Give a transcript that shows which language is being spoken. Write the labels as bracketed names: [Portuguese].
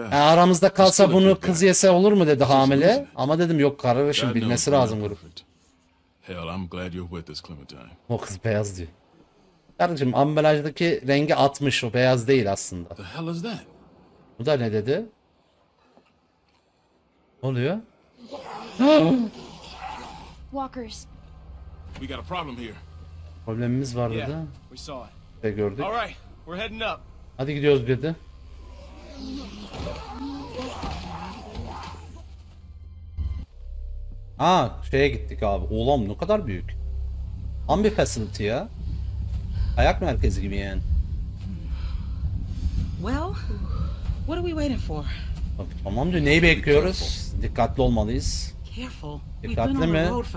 [Turkish] Yani aramızda kalsa bunu kız yese olur mu dedi hamile. Ama dedim yok, kardeşim bilmesi lazım grup. [English] Hell, I'm glad you're with us, Clementine. [Turkish] O kız beyaz diyor. Kardeşim ambalajdaki rengi atmış, o beyaz değil aslında. [English] The hell is that? [Turkish] Bu da ne dedi? Oluyor. [English] Walkers. We got a problem here. [Turkish] Problemimiz var dedi. [English] We saw it. [Turkish] Ve gördük. [English] All right, we're heading up. [Turkish] Hadi gidiyoruz dedi. Aa, şeye gittik abi. Oğlum ne kadar büyük. Tam bir facility ya. Ayak merkezi gibi yani. [English] Well, what are we waiting for? [Turkish] Tamam diyor, neyi bekliyoruz? Dikkatli olmalıyız. Dikkatli mi?